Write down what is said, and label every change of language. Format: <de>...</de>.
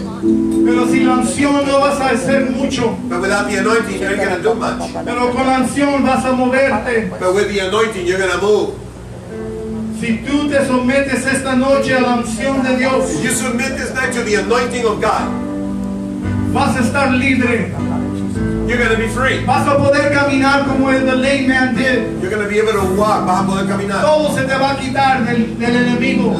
<es>Pero sin la unción no vas a hacer mucho.</es> <en>But without the anointing, you're not going to do much.</en> <es>Pero con la unción vas a moverte.</es> <en>But with the anointing, you're going to move.</en> <es>Si tú te sometes esta noche a la unción de Dios,</es> <en>you submit this night to the anointing of God,</en> <es>vas a estar libre.</es> <en>You're going to be free.</en> <es>Vas a poder caminar como el</es> <en>the lame man did. You're going to be able to walk.</en> <es>Vas a poder caminar. Todo se te va a quitar del enemigo.</es>